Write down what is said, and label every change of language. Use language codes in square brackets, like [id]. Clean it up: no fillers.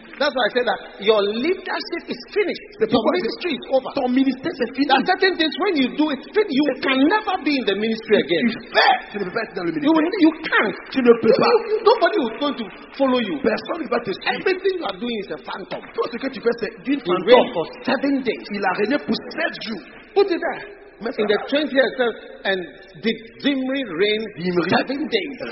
[en] That's why I said that your leadership is finished. Your ministry is over. [fr] Ton ministère c'est fini. [en] There are certain things when you do it, you can never be in the ministry again. [fr] Tu ne peux pas être dans le ministère. [en] You can't. [fr] Tu ne peux pas. [en] Nobody is going to follow you. [fr] Personne ne va te suivre. [en] Everything you are doing is a phantom. [fr] Tout ce que tu fais c'est du fantôme. [en] He reigned for 7 days. [fr] Il a régné pour 7 jours. [en] Put it there. In the 20th year, and did Zimri reign 7 days?